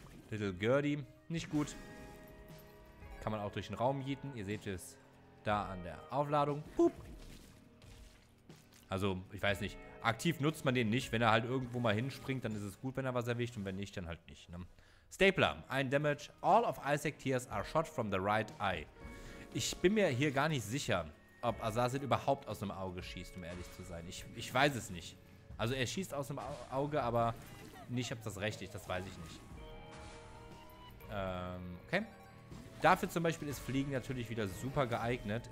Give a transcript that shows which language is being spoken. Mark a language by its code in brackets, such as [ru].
[de] Little Gertie, nicht gut. Kann man auch durch den Raum jeten. Ihr seht es da an der Aufladung. Boop. Also, ich weiß nicht. Aktiv nutzt man den nicht. Wenn er halt irgendwo mal hinspringt, dann ist es gut, wenn er was erwischt. Und wenn nicht, dann halt nicht. Ne? Stapler, ein Damage. [en] All of Isaac Tears are shot from the right eye. [de] Ich bin mir hier gar nicht sicher, ob Azazel überhaupt aus dem Auge schießt, um ehrlich zu sein. Ich weiß es nicht. Also, er schießt aus dem Auge, aber nicht, ob das recht ist. Das weiß ich nicht. Okay. Dafür zum Beispiel ist Fliegen natürlich wieder super geeignet.